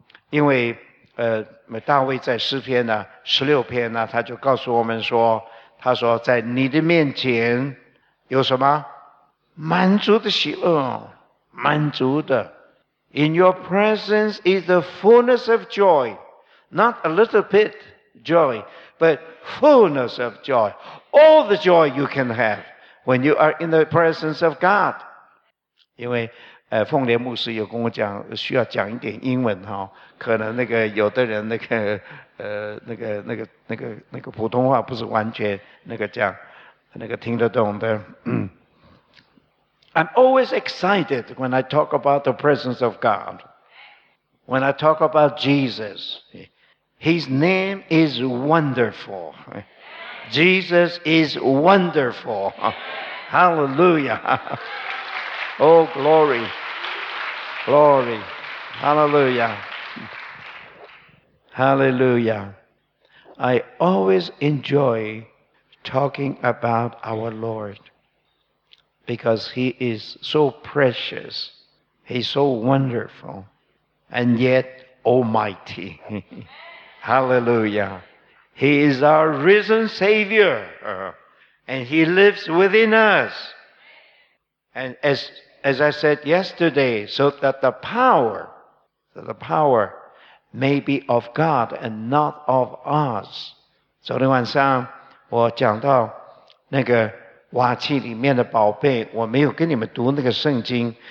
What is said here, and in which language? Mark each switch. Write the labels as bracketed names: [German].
[Chinese] 因为大卫在诗篇呢十六篇呢，他就告诉我们说，他说在你的面前有什么满足的喜乐，满足的。 [English] In your presence is the fullness of joy, not a little bit joy, but fullness of joy, all the joy you can have when you are in the presence of God. [Chinese] 因为凤莲牧师有跟我讲，需要讲一点英文哈，可能那个有的人那个普通话不是完全那个讲那个听得懂的。 [English] I'm always excited when I talk about the presence of God. When I talk about Jesus, His name is wonderful. Jesus is wonderful. Hallelujah. Oh glory. Glory, hallelujah, hallelujah. I always enjoy talking about our Lord because He is so precious, He's so wonderful, and yet almighty. Hallelujah. He is our risen Savior, and He lives within us. And as I said yesterday, so that the power may be of God and not of us. [Chinese] 昨天晚上我讲到那个瓦器里面的宝贝，我没有跟你们读那个圣经。